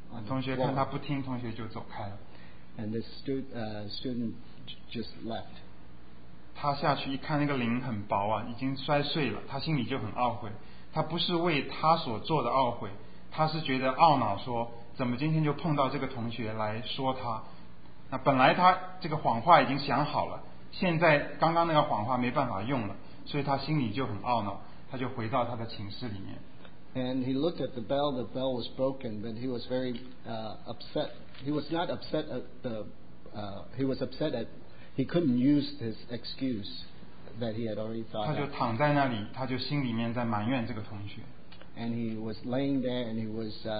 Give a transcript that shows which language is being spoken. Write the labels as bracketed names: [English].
[Chinese] 同学看他不听，同学就走开了。 [English] And this student just left. [Chinese] 他下去一看，那个铃很薄啊，已经摔碎了，他心里就很懊悔。他不是为他所做的懊悔，他是觉得懊恼，说怎么今天就碰到这个同学来说他。那本来他这个谎话已经想好了，现在刚刚那个谎话没办法用了，所以他心里就很懊恼，他就回到他的寝室里面。 [English] And he looked at the bell was broken, but he was very upset. He was not upset at the, he was upset at, he couldn't use his excuse that he had already thought. [Chinese] 他就躺在那里，他就心里面在埋怨这个同学。 [English] And he was laying there, and he was.